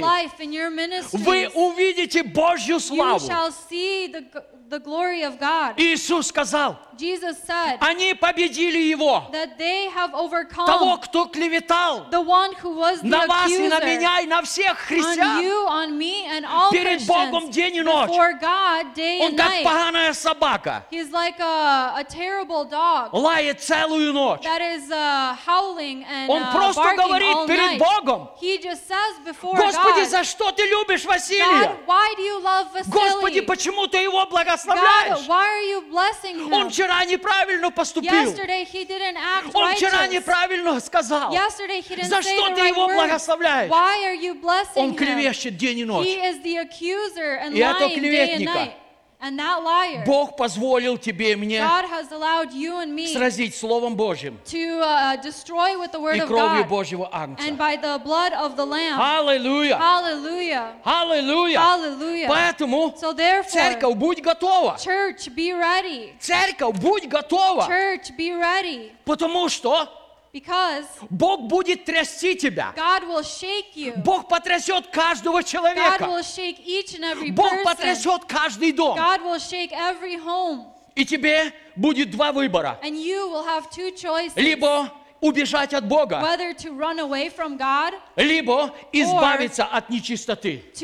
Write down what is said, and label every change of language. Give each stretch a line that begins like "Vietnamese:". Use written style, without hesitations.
English: your life, in your ministry,
Russian: вы увидите Божью славу.
English: You shall see the glory of God.
Russian: Иисус сказал,
English: Jesus said,
Russian: они победили Его,
English: that they have overcome
Russian: того, кто клеветал
English: the one who was the
Russian: на вас
English: accuser,
Russian: и на меня и на всех христиан
English: on you, on me, and all
Russian: перед
English: Christians,
Russian: Богом день и ночь.
English: Before God, day
Russian: он
English: and
Russian: как
English: night.
Russian: Поганая собака.
English: He's like a terrible dog
Russian: лает целую ночь.
English: That is, howling and,
Russian: он просто
English: barking
Russian: говорит
English: all
Russian: перед
English: night.
Russian: Богом,
English: he just says before
Russian: Господи,
English: God,
Russian: за что ты любишь Василия?
English: God, why do you love Vasily?
Russian: Господи, почему ты его благословляешь?
English: God, why are you blessing him?
Russian: Он вчера неправильно поступил.
English: Yesterday he didn't act righteous.
Russian: Он вчера неправильно сказал.
English: Yesterday he didn't
Russian: за что
English: say
Russian: ты
English: right
Russian: его благословляешь?
English: Why are you blessing
Russian: он клевещет
English: him?
Russian: День и ночь.
English: He is the accuser and lying day and night. And that liar,
Russian: Бог позволил тебе и мне сразить Словом Божьим
English: to with the word
Russian: и кровью
English: of God
Russian: Божьего Агнца.
English: And by the blood of the Lamb. Hallelujah. Hallelujah. Hallelujah. Hallelujah.
Russian: Поэтому
English: so therefore,
Russian: церковь, будь готова.
English: Church, be ready.
Russian: Церковь, будь готова.
English: Church, be ready.
Russian: Потому что
English: because
Russian: Бог будет трясти тебя.
English: God will shake you.
Russian: Бог потрясет каждого человека.
English: God will shake each and every
Russian: Бог
English: person.
Russian: Потрясет каждый дом.
English: God will shake every home.
Russian: И тебе будет два выбора.
English: And you will have two choices.
Russian: Либо убежать от Бога.
English: Whether to run away from God,
Russian: либо избавиться от нечистоты.